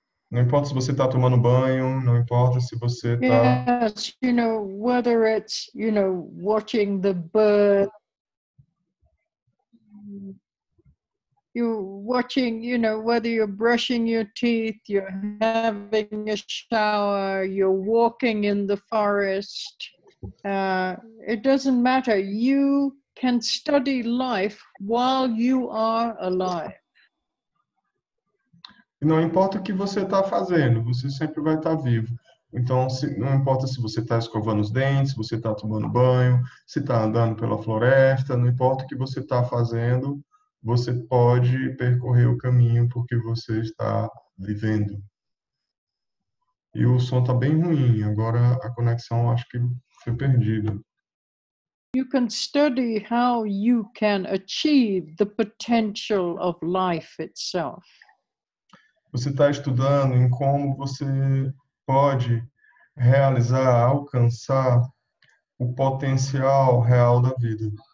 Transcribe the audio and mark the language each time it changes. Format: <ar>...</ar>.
<pt>Não importa se você está tomando banho, não importa se você está...</pt> <en>Yes, you know, whether it's, you know, watching the bird. You're watching, you know, whether you're brushing your teeth, you're having a shower, you're walking in the forest. It doesn't matter. You can study life while you are alive.</en> <pt>Não importa o que você está fazendo, você sempre vai estar vivo. Então, não importa se você está escovando os dentes, se você está tomando banho, se está andando pela floresta, não importa o que você está fazendo, você pode percorrer o caminho porque você está vivendo. E o som está bem ruim, agora a conexão acho que foi perdida.</pt> <en>You can study how you can achieve the potential of life itself.</en> <pt>Você está estudando em como você pode realizar, alcançar o potencial real da vida.</pt>